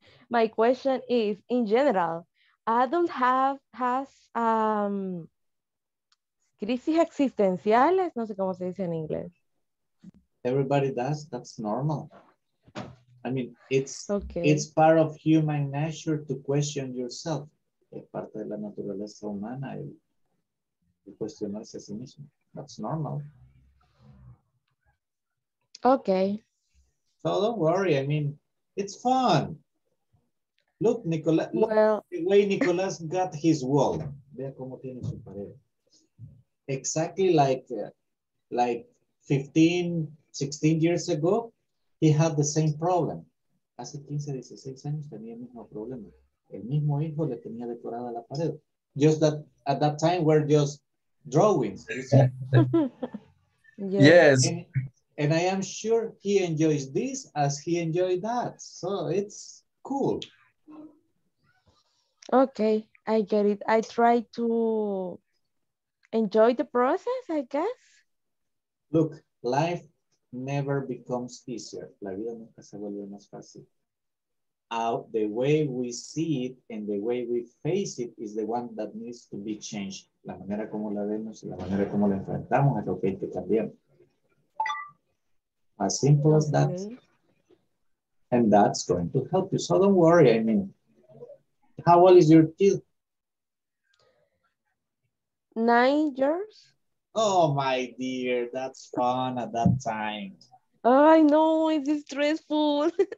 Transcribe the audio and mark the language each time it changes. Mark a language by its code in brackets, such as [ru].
[en] My question is, in general, adults has [es] crisis existenciales, no sé cómo se dice en inglés. [en] Everybody does, that's normal. I mean, it's part of human nature to question yourself. [es] Es parte de la naturaleza humana y cuestionarse a sí mismo. [en] That's normal. Okay. So don't worry, I mean, it's fun. Look, Nicolás, look the way Nicolás got his wall. [es] Vea cómo tiene su pared. [en] Exactly like 15, 16 years ago, he had the same problem. [es] Hace 15, 16 años tenía el mismo problema. El mismo hijo le tenía decorada la pared. [en] Just that at that time were just drawings. Yes. And I am sure he enjoys this as he enjoyed that. So it's cool. Okay, I get it. I try to enjoy the process, I guess. Look, life never becomes easier. [es] La vida nunca se vuelve más fácil. [en] The way we see it and the way we face it is the one that needs to be changed. [es] La manera como la vemos y la manera como la enfrentamos es lo que hay que cambiar. [en] As simple as that. Okay. And that's going to help you. So don't worry, I mean, how old is your kid? 9 years. Oh, my dear, that's fun at that time. Oh, I know, it is stressful.